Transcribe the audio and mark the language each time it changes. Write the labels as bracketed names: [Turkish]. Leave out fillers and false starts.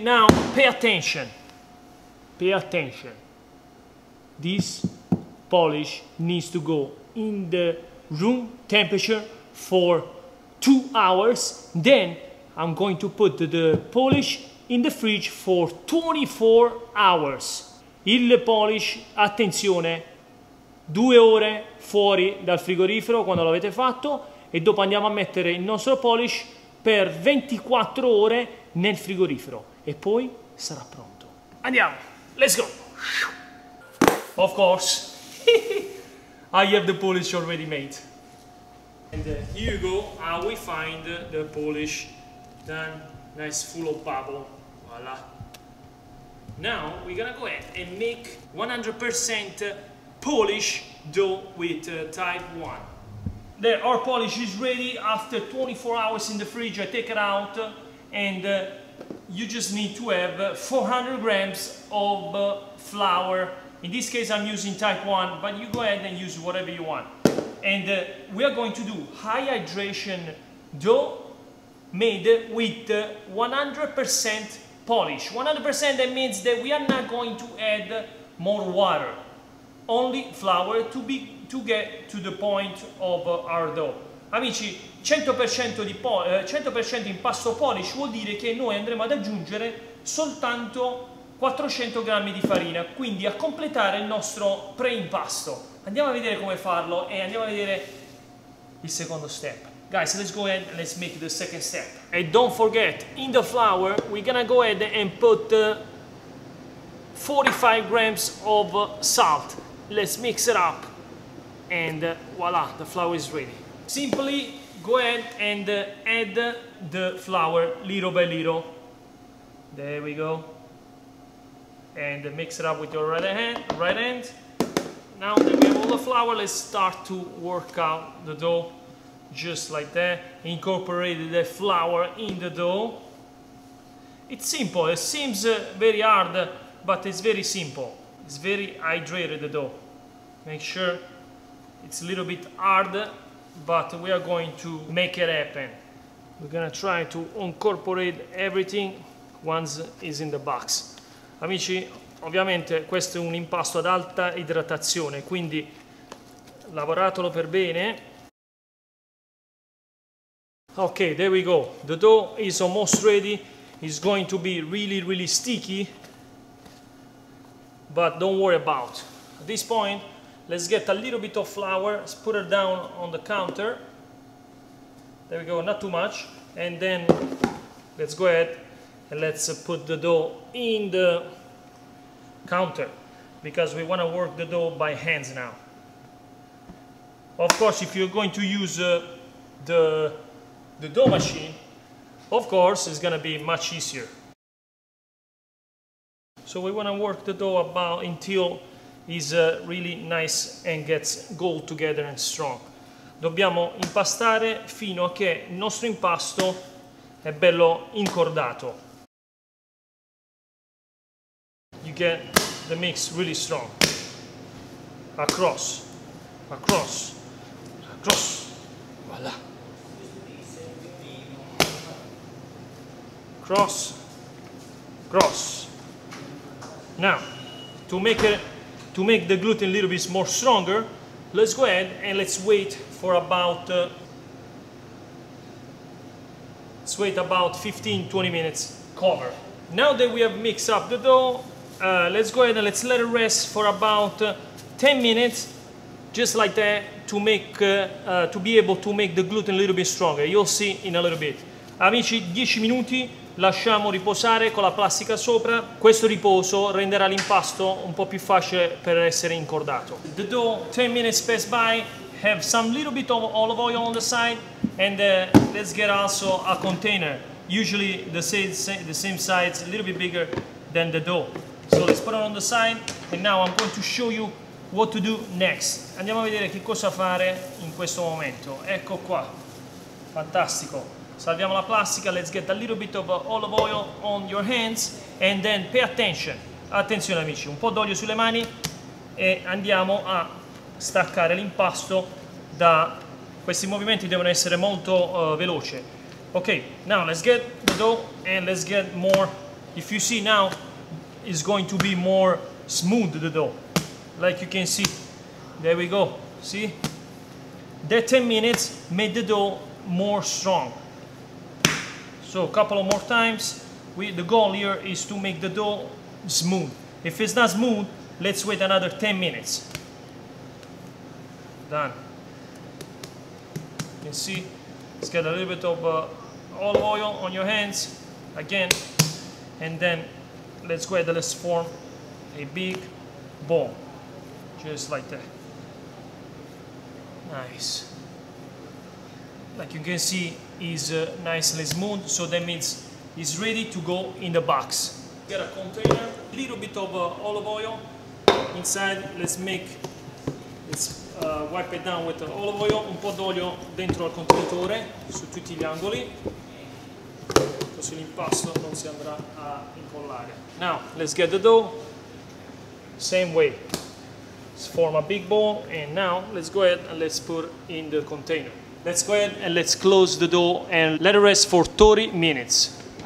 [English] Now, pay attention. Pay attention. This Polish needs to go in the room temperature for 2 hours, then I'm going to put the Polish in the fridge for 24 hours. [Italian] Il Polish, attenzione, 2 ore fuori dal frigorifero quando l'avete fatto e dopo andiamo a mettere il nostro Polish per 24 ore nel frigorifero e poi sarà pronto. Andiamo, [English] let's go! Of course, I have the Polish already made. And here you go, how we find the Polish, done, nice, full of bubble, voila. Now, we're gonna go ahead and make 100% Polish dough with type 1. There, our Polish is ready after 24 hours in the fridge. I take it out and you just need to have 400 grams of flour. In this case, I'm using type 1, but you go ahead and use whatever you want. And we are going to do high hydration dough made with 100% Polish. 100%, that means that we are not going to add more water, only flour to get to the point of our dough. [Italian] Amici, 100% di 100% impasto Polish vuol dire che noi andremo ad aggiungere soltanto 400 grammi di farina, quindi a completare il nostro preimpasto. Andiamo a vedere come farlo e andiamo a vedere il secondo step. [English] Guys, let's go ahead and let's make the second step. And don't forget, in the flour, we're gonna go ahead and put 45 grams of salt. Let's mix it up and voila, the flour is ready. Simply go ahead and add the flour little by little. There we go. And mix it up with your right hand. Now that we have all the flour, let's start to work out the dough, just like that. Incorporate the flour in the dough. It's simple, it seems very hard, but it's very simple. It's very hydrated the dough. Make sure it's a little bit hard, but we are going to make it happen. We're gonna try to incorporate everything once it's in the box. [Italian] Amici, ovviamente questo è un impasto ad alta idratazione, quindi lavoratelo per bene. [English] Okay, there we go. The dough is almost ready. It's going to be really, really sticky. But don't worry about. At this point, let's get a little bit of flour. Let's put it down on the counter. There we go, not too much. And then let's go ahead and let's put the dough in the counter because we want to work the dough by hands now. Of course, if you're going to use the dough machine, of course, it's going to be much easier. So we want to work the dough about until it's really nice and gets gold together and strong. [Italian] Dobbiamo impastare fino a che il nostro impasto è bello incordato. [English] You get the mix really strong. Across, across, across. Voilà. Cross, cross. Now, to make the gluten a little bit more stronger, let's go ahead and let's wait about 15-20 minutes cover. Now that we have mixed up the dough, let's go ahead and let's let it rest for about 10 minutes, just like that, to be able to make the gluten a little bit stronger. You'll see in a little bit. [Italian] Amici, 10 minuti. Lasciamo riposare con la plastica sopra. Questo riposo renderà l'impasto un po' più facile per essere incordato. [English] The dough, 10 minutes passed by, have some little bit of olive oil on the side, and let's get also a container. Usually the same size, a little bit bigger than the dough. So let's put it on the side, and now I'm going to show you what to do next. [Italian] Andiamo a vedere che cosa fare in questo momento. Ecco qua, fantastico. Salviamo la plastica, [English] let's get a little bit of olive oil on your hands and then pay attention. [Italian] Attenzione amici, un po' d'olio sulle mani e andiamo a staccare l'impasto da... Questi movimenti devono essere molto veloci. [English] Ok, now let's get the dough and let's get more... If you see now, it's going to be more smooth the dough. Like you can see. There we go, see? That 10 minutes made the dough more strong. So a couple of more times, the goal here is to make the dough smooth. If it's not smooth, let's wait another 10 minutes. Done. You can see, let's get a little bit of olive oil on your hands, again. And then let's go ahead and let's form a big ball, just like that. Nice. Like you can see, is nicely smooth, so that means it's ready to go in the box. Get a container, a little bit of olive oil inside. Let's wipe it down with the olive oil. [Italian] Un po' d'olio dentro al contenitore su tutti gli angoli, così l'impasto non si andrà a incollare. [English] Now let's get the dough. Same way, let's form a big ball, and now let's go ahead and let's put in the container. Let's go ahead and let's close the dough and let it rest for 30 minutes.